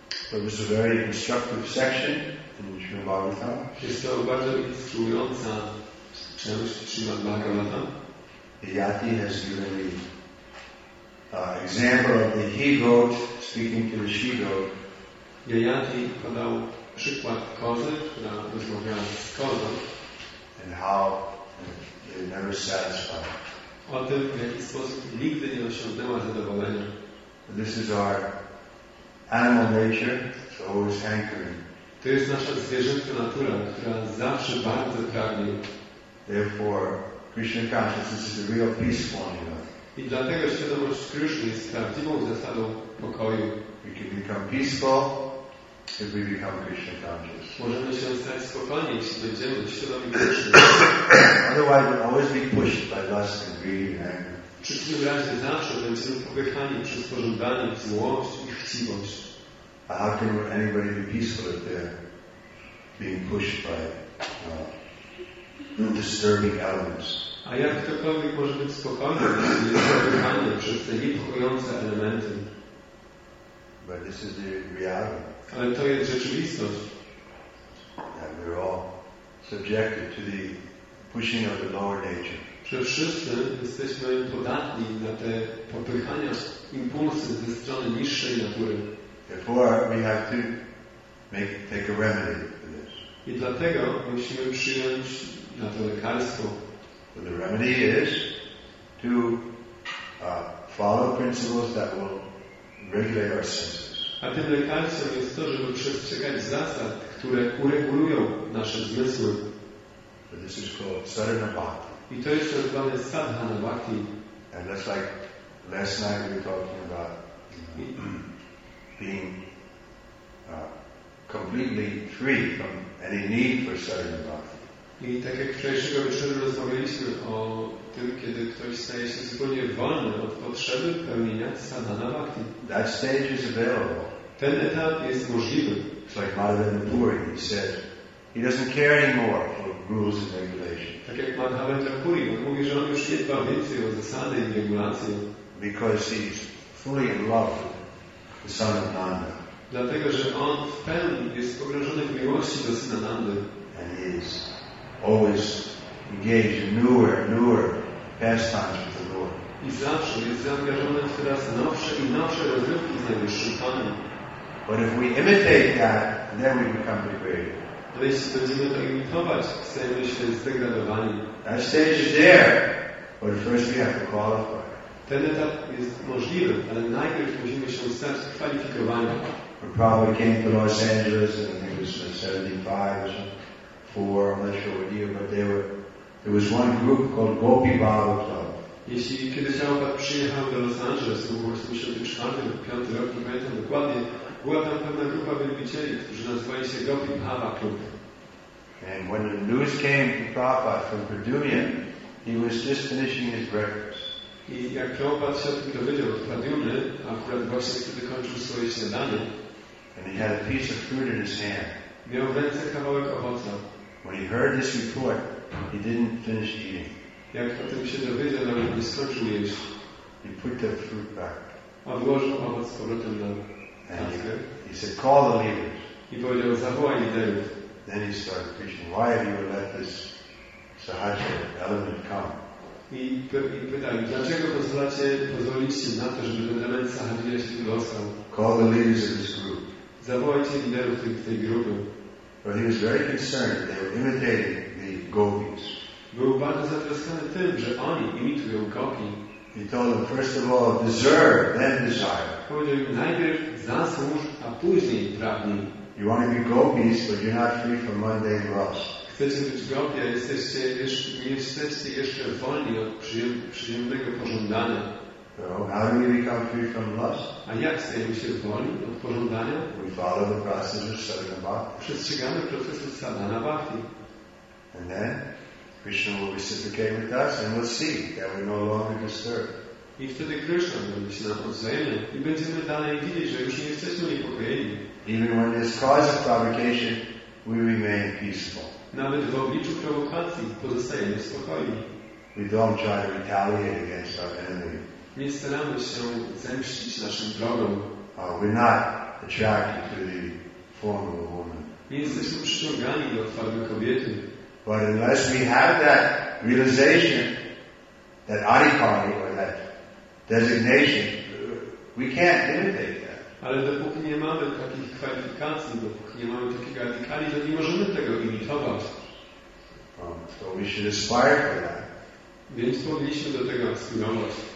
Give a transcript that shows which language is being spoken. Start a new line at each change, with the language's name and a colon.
English: So this is a very instructive section in Srimad Bhagavatam.
Polish: Jest to bardzo instruująca część Srimad Bhagavatam.
English: Yati has given me example of the he-goat speaking to the she-goat.
Polish: Yayati podał przykład kozy, która rozmawiała z kozą.
English: And how they never satisfied.
Polish: O tym, w jaki sposób nigdy nie osiągnęła zadowolenia.
English: This is our animal nature, it's always hankering.
Polish: To jest nasza zwierzęca natura, która zawsze bardzo pragnie.
English: Therefore, Krishna consciousness is a real peace formula.
Polish: I dlatego świadomość Kryszny jest prawdziwą zasadą pokoju.
English: We can become peaceful if we become Krishna conscious.
Polish: Możemy się stać spokojni, jeśli będziemy świadomi Kryszny.
English: Otherwise we'll always be pushed by lust and greed and anger.
Polish: W przeciwnym razie zawsze będziemy popychani przez pożądanie, złość i chciwość.
English: A how can anybody be peaceful if they're being pushed by disturbing elements?
Polish: A jak ktokolwiek może być spokojny, jeśli jest zapychany przez te niepokojące elementy?
English: But this is the reality.
Polish: Ale to jest rzeczywistość.
English: That we're all subjected to the pushing of the lower nature.
Polish: Że wszyscy jesteśmy podatni na te popychania, impulsy ze strony niższej natury.
English: Therefore, we have to take a remedy for this.
Polish: I dlatego musimy przyjąć na to lekarstwo.
English: So the remedy is to follow principles that will regulate our senses.
Polish: A tym lekarstwem jest to, żeby przestrzegać zasad, które uregulują nasze zmysły.
English: So this is called sadhana bhakti.
Polish: I to jest nazwane sadhana bhakti.
English: And that's like last night we were talking about being completely free from any need for sadhana bhakti.
Polish: I tak jak wczorajszego wieczoru rozmawialiśmy o tym, kiedy ktoś staje się zupełnie wolny od potrzeby pełnienia sadhana bhakti.
English: That stage is available.
Polish: Ten etap jest możliwy.
English: It's like Madhavendra Puri, he said, he doesn't care anymore for rules and regulations.
Polish: Tak jak Madhavendra Puri, on mówi, że on już nie dba więcej o zasady i regulacje.
English: Because he's fully in love with the son of Nanda.
Polish: Dlatego, że on w pełni jest pogrążony w miłości do syna Nandy.
English: And he is always engaged in newer pastimes with the Lord.
Polish: I zawsze jest zaangażowany w coraz nowsze i nowsze rozrywki z Najwyższym Panem.
English: But if we imitate that, then we become degraded.
Polish: Ale jeśli będziemy to imitować, stajemy się zdegradowani.
English: That stage is there, but first we have to qualify.
Polish: Ten etap jest możliwy, ale najpierw musimy się stać kwalifikowani.
English: Prabhupada came to Los Angeles in, I think it was 75 or something. Four, I'm not sure what year, but there was one group called Gopi Bhava Club.
Polish: Jeśli kiedyś Prabhupada przyjechał do Los Angeles, to było w 1984-1985 roku, nie pamiętam dokładnie, była tam pewna grupa wielbicieli, którzy nazywali się Gopi Bhava Club.
English: And when the news came to Prabhupada from Pradyumna, he was just finishing his breakfast.
Polish: I jak Prabhupada się o tym dowiedział od Pradyumny, akurat właśnie kiedy kończył swoje śniadanie,
English: and he had a piece of fruit in his hand.
Polish: Miał w ręce kawałek owoca.
English: When he heard this report, he didn't finish eating.
Polish: Jak o tym się dowiedział, nawet nie skończył jeść.
English: He put the fruit back.
Polish: A włożył owoc z powrotem do taski.
English: He said, call the leaders.
Polish: I powiedział, zawołaj liderów.
English: Then he started preaching, why have you let this sahaja element come?
Polish: I pytali, dlaczego pozwoliliście na to, żeby ten element sahaja się dostał?
English: Call the leaders of this group.
Polish: Zawołajcie liderów tej grupy.
English: But he was very concerned they were imitating the gopis.
Polish: Był bardzo zatroskany tym, że oni imitują gopi.
English: He told them, first of all, deserve, then desire.
Polish: Powiedział im, najpierw zasłuż, a później pragnij.
English: You want to be gopis, but you're not free from mundane lust.
Polish: Chcecie być gopi, a jesteście jeszcze wolni od przyjemnego pożądania.
English: So how do we become free from lust?
Polish: A jak stajemy się wolni od pożądania?
English: We follow the process of sadhana bhakti.
Polish: Przestrzegamy procesu sadhana bhakti.
English: And then Krishna will reciprocate with us and we'll see that we're no longer disturbed.
Polish: I wtedy Krishna będzie się nam odzajemny i będziemy dalej widzieć, że już nie jesteśmy niepokojeni.
English: Even when there's cause of provocation, we remain peaceful.
Polish: Nawet w obliczu prowokacji pozostajemy spokojni.
English: We don't try to retaliate against our enemy.
Polish: Nie staramy się zemścić naszym wrogom.
English: We're not attracted to the form of a woman.
Polish: Nie jesteśmy przyciągani do formy kobiety.
English: But unless we have that realization, that adipani or that designation, we can't imitate that.
Polish: Ale dopóki nie mamy takich kwalifikacji, dopóki nie mamy takich adipani, to nie możemy tego imitować.
English: So we should aspire for that.
Polish: Więc powinniśmy do tego aspirować.